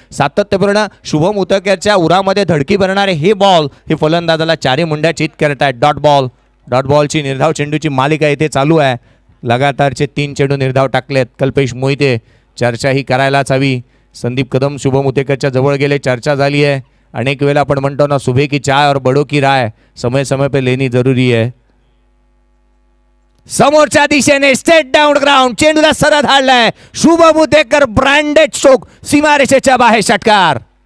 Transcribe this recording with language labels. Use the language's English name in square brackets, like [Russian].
[Marathi] सातत्यपूर्ण शुभम उतकरच्या उरामध्ये धडकी भरणारे हे बॉल हे फलंदाजाला चारी मुंड्या चित करत आहेत. डॉट बॉल, डॉट बॉलची निर्धाव चेंडूची मालिका इथे चालू आहे. लगातारचे तीन चेंडू निर्धाव टाकलेत कल्पेश मोहिते. चर्चा ही करायलाच हवी. संदीप कदम शुभम उतकरच्या जवळ गेले, चर्चा झाली आहे. अनेक वेळेला आपण म्हणतो ना, [Hindi] सुबह की चाय और बड़ों की राय, समय समय पे लेनी जरूरी है. [Marathi] समोरच्या दिशेने स्टेट डाउन ग्राउंड चेंडूला सरत हाडलाय शुभम उतकर. ब्रँडेड स्ट्रोक सीमारेषेच्या बाहेर षटकार.